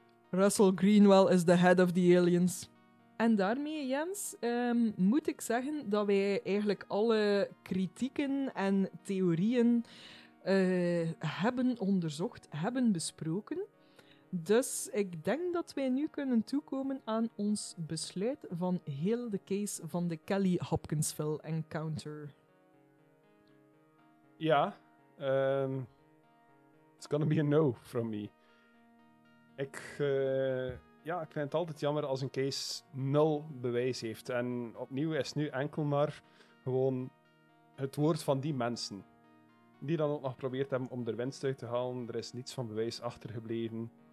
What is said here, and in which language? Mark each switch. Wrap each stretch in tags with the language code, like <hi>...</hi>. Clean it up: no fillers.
<en>Russell Greenwell is the head of the aliens.</en> <nl>En daarmee, Jens, moet ik zeggen dat wij eigenlijk alle kritieken en theorieën hebben onderzocht, hebben besproken. Dus ik denk dat wij nu kunnen toekomen aan ons besluit van heel de case van de Kelly Hopkinsville Encounter.</nl> <en>Ja, it's gonna be a no from me.</en> <nl>Ik vind het altijd jammer als een case nul bewijs heeft. En opnieuw is nu enkel maar gewoon het woord van die mensen. Die dan ook nog geprobeerd hebben om er winst uit te halen. Er is niets van bewijs achtergebleven.</nl>